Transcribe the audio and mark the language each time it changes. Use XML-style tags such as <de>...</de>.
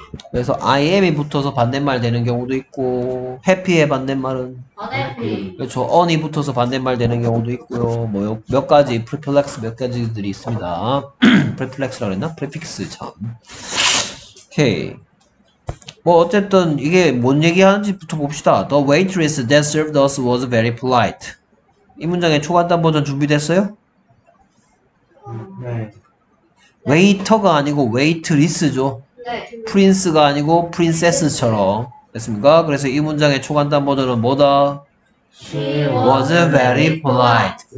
<ko>그래서 I am이 붙어서 반대말 되는 경우도 있고 happy의 반대말은</ko> <en>unhappy</en> <ko>그렇죠. on이 붙어서 반대말 되는 경우도 있고요. 뭐 몇 가지 preflex 몇 가지들이 있습니다. preflex라 그랬나? prefix 참 오케이. 뭐 어쨌든 이게 뭔 얘기하는지부터 봅시다.</ko> <en>The waitress that served us was very polite.</en> <ko>이 문장의 초간단 버전 준비됐어요? 네. 웨이터가 아니고 웨이트리스죠. 네. 프린스가 아니고 프린세스처럼 됐습니까? 그래서 이 문장의 초간단 버전은 뭐다?</ko> <en>She was very polite.</en>